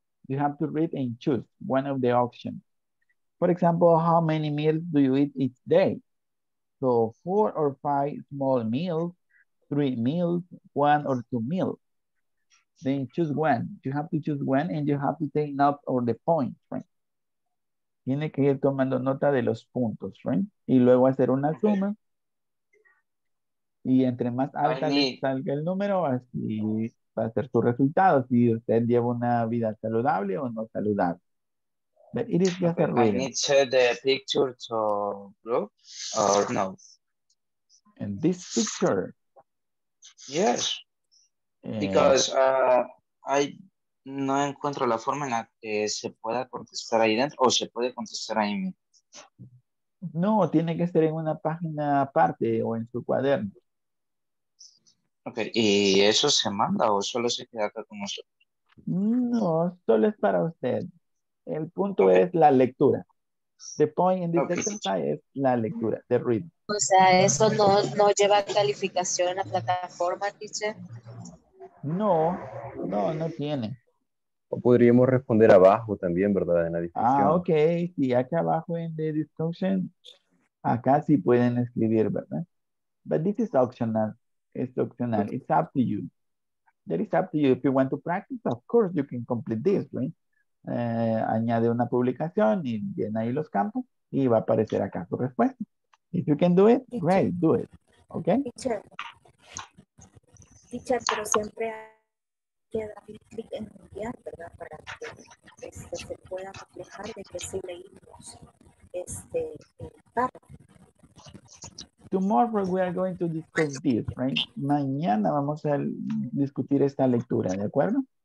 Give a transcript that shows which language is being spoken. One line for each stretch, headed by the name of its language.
English: You have to read and choose one of the options. For example, how many meals do you eat each day? So four or five small meals, three meals, one or two meals. Then choose one. You have to choose one and you have to take note of the points, right?
Spanish: Tiene que ir tomando nota de los puntos, right? Y luego hacer una suma. Y entre más alta salga el número, así va a ser su resultado. Si usted lleva una vida saludable o no saludable.
English: But it is just a reading. I need to share the picture to group or no? And this picture? Yes. Because I
Spanish: no encuentro la forma en la que se pueda contestar ahí dentro o se puede contestar ahí mismo. No, tiene que ser en una página aparte o en su cuaderno. Okay, ¿y eso se manda o solo se queda acá con nosotros? No, solo es para usted. El punto okay. es la lectura.
English: The point in this okay. exercise
Spanish: es la lectura,
English: the read.
Spanish: O sea, ¿eso no lleva calificación a plataforma, teacher? No tiene. O podríamos responder abajo también, ¿verdad? En la discusión. Ah, ok. Sí, acá abajo en
English: the discussion,
Spanish: acá sí pueden escribir, ¿verdad?
English: But this is optional. It's optional. It's up to you. That is up to you. If you want to practice, of course, you can complete this, right?
Spanish: Añade una publicación y llena ahí los campos y va a aparecer acá su respuesta.
English: If you can do it, great, right, do it. Ok.
Spanish: Teacher, pero siempre hay que dar clic en enviar, ¿verdad? Para que se pueda reflejar de que sí leímos este párrafo.
English: Tomorrow we are going to discuss this, right?
Spanish: Mañana vamos a discutir esta lectura, ¿de acuerdo?